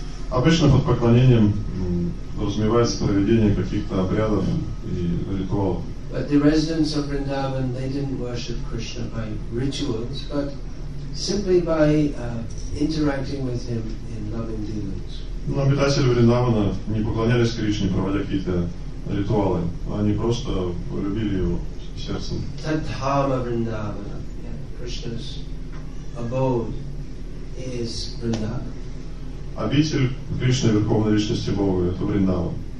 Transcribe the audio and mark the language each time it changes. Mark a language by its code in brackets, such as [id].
[ru] Обычно под поклонением разумевается проведение каких-то обрядов и ритуалов. [en] But the residents of Vrindavan, they didn't worship Krishna by rituals, but simply by interacting with him in loving dealings. [ru] Но обитатели Вриндавана не поклонялись Кришне, проводя какие-то ритуалы. Они просто любили его сердцем. [sa] Tathama Vrindavana, [en] yeah, Krishna's abode is Vrindavan. [ru] Обитель Кришны, Верховной Личности Бога, это Вриндава.